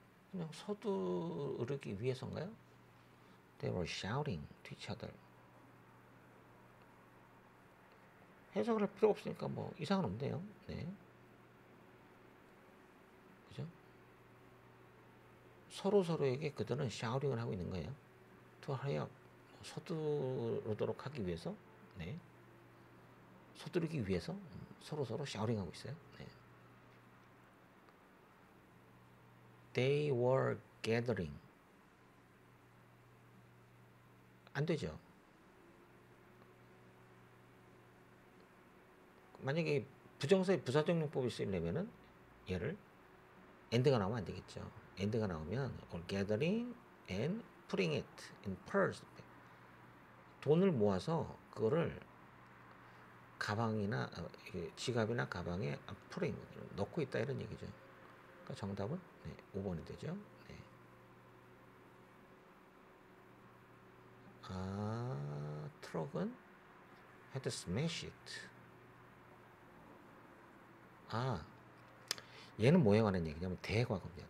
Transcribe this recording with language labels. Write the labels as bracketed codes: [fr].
[ko] 그냥 서두르기 위해서인가요? [en] They were shouting to each other. [ko] 해석을 할 필요 없으니까 뭐 이상은 없네요. 네. 서로 서로에게 그들은 샤우링을 하고 있는 거예요. [en] To hurry up. [ko] 서두르도록 하기 위해서. 네. 서두르기 위해서 서로 서로 샤우링하고 있어요. 네. [en] They were gathering. [ko] 안 되죠. 만약에 부정사의 부사적 용법이 쓰이려면은 얘를 end가 나오면 안 되겠죠. end가 나오면 [en] or gathering and putting it in purse. [ko] 돈을 모아서 그거를 가방이나 지갑이나 가방에 putting 넣고 있다 이런 얘기죠. 그러니까 정답은 네, 5번이 되죠. 네. 아, 트럭은 [en] had to smash it. [ko] 아, 얘는 뭐에 관한 얘기냐면 대과거입니다.